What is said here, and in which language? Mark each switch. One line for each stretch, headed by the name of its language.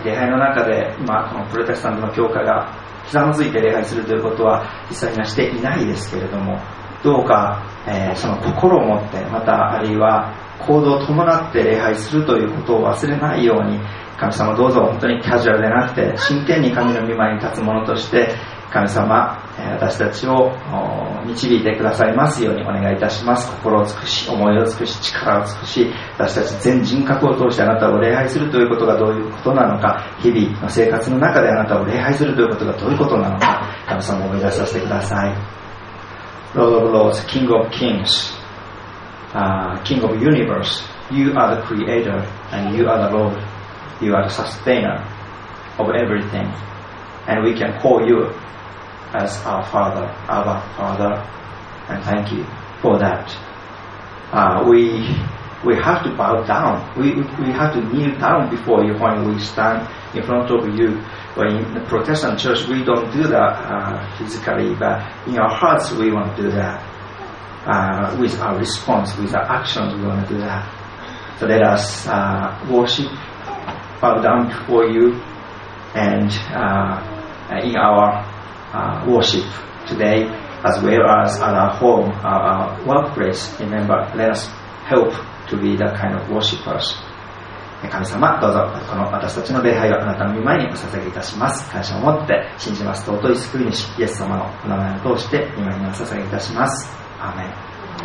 Japanese: 礼拝の中で今このプロテスタントの教会がひざまずいて礼拝するということは実際にはしていないですけれども、どうか、その心を持って、またあるいは行動を伴って礼拝するということを忘れないように、神様どうぞ本当にカジュアルでなくて真剣に神の御前に立つ者として、神様、私たちを導いてくださいますようにお願いいたします。心を尽くし、思いを尽くし、力を尽くし、私たち全人格を通してあなたを礼拝するということがどういうことなのか、日々の生活の中であなたを礼拝するということがどういうことなのか、神様を思い出させてください。
English: Lord of Lords, King of Kings, King of Universe, You are the Creator and You are the Lord. You are the Sustainer of everything. And we can call You as our Father, Abba Father, and thank You for that. We have to bow down. We have to kneel down before You when we stand in front of You. But in the Protestant church, we don't do that physically, but in our hearts, we want to do that. With our response, with our actions, we want to do that. So let us worship, bow down before You, and in our worship today, as well as at our home, our workplace. Remember, let us help to be that kind of worshippers.
Japanese: 神様、どうぞこの私たちの礼拝をあなたの御前にお捧げいたします。感謝を持って信じます。尊い救い主イエス様のお名前を通して御前にお捧げいたします。アーメン。